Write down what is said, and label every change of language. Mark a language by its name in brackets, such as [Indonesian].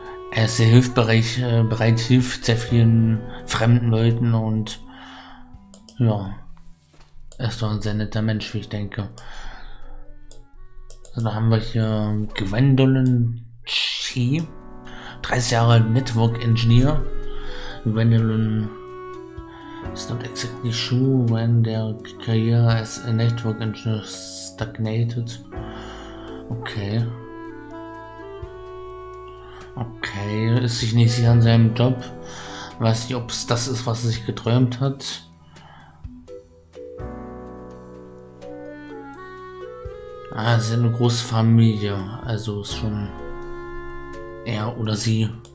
[German] Er ist sehr hilfbereich, bereit, hilft sehr vielen fremden Leuten und ja, er ist doch ein sehr netter Mensch, wie ich denke. So, dann haben wir hier Gwendolyn Chi, 30 Jahre Network Engineer. [English] Gwendolyn is not exactly sure when their career as a Network Engineer stagnated. Okay. [German] Okay, ist sich nicht sicher an seinem Job. Weiß nicht, ob es das ist, was er sich geträumt hat. Ah, sie ist eine große Familie. Also ist schon er oder sie.